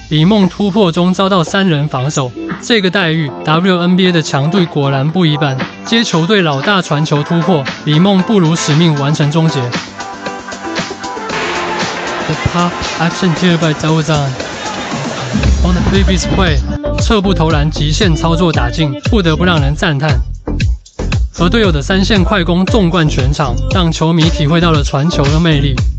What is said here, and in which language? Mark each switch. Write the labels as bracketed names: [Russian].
[Chinese] 李梦突破中遭到三人防守，这个待遇 WNBA 的强队果然不一般。接球队老大传球突破，李梦不辱使命完成终结。 [English] The pop action here by Zhou Zhan on the previous play， [Chinese] 侧步投篮极限操作打进，不得不让人赞叹。和队友的三线快攻纵贯全场，让球迷体会到了传球的魅力。